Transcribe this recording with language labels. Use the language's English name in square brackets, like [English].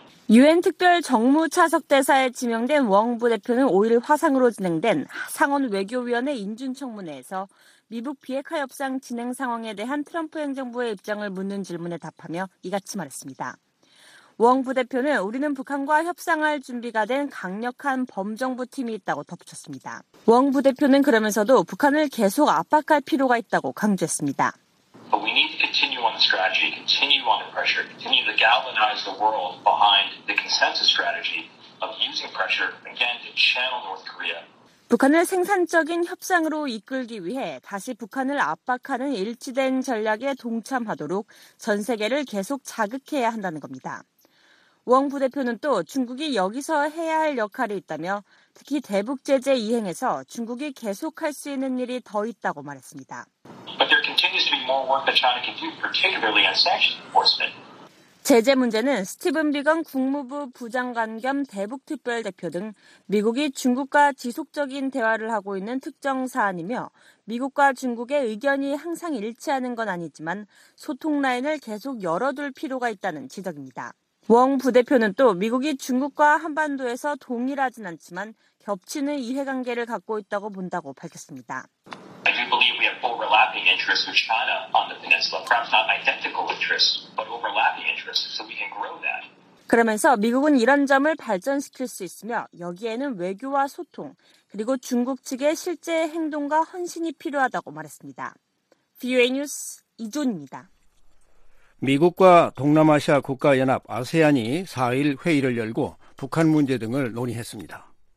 [Korean] 유엔 특별 정무차석대사에 지명된 왕 부대표는 5일 화상으로 진행된 상원 외교위원회 인준청문회에서 미북 비핵화 협상 진행 상황에 대한 트럼프 행정부의 입장을 묻는 질문에 답하며 이같이 말했습니다. 웡 부대표는 우리는 북한과 협상할 준비가 된 강력한 범정부 팀이 있다고 덧붙였습니다. 웡 부대표는 그러면서도 북한을 계속 압박할 필요가 있다고 강조했습니다. [English] But we need to continue on the strategy, continue on the pressure, continue to galvanize the world behind the consensus strategy of using pressure again to channel North Korea. [Korean] 북한을 생산적인 협상으로 이끌기 위해 다시 북한을 압박하는 일치된 전략에 동참하도록 전 세계를 계속 자극해야 한다는 겁니다. 웡 부대표는 또 중국이 여기서 해야 할 역할이 있다며 특히 대북 제재 이행에서 중국이 계속 할 수 있는 일이 더 있다고 말했습니다. [English] But there continues to be more work that China can do, particularly on sanctions enforcement. [Korean] 제재 문제는 스티븐 비건 국무부 부장관 겸 대북특별대표 등 미국이 중국과 지속적인 대화를 하고 있는 특정 사안이며 미국과 중국의 의견이 항상 일치하는 건 아니지만 소통 라인을 계속 열어둘 필요가 있다는 지적입니다. 웡 부대표는 또 미국이 중국과 한반도에서 동일하진 않지만 겹치는 이해관계를 갖고 있다고 본다고 밝혔습니다. [English] Overlapping interests with China on the peninsula, perhaps not identical interests, but overlapping interests, so we can grow that. [Korean] 그러면서 미국은 이런 점을 발전시킬 수 있으며 여기에는 외교와 소통 그리고 중국 측의 실제 행동과 헌신이 필요하다고 말했습니다. VOA 뉴스 이준입니다. 미국과 동남아시아 국가연합 아세안이 4일 회의를 열고 북한 문제 등을 논의했습니다.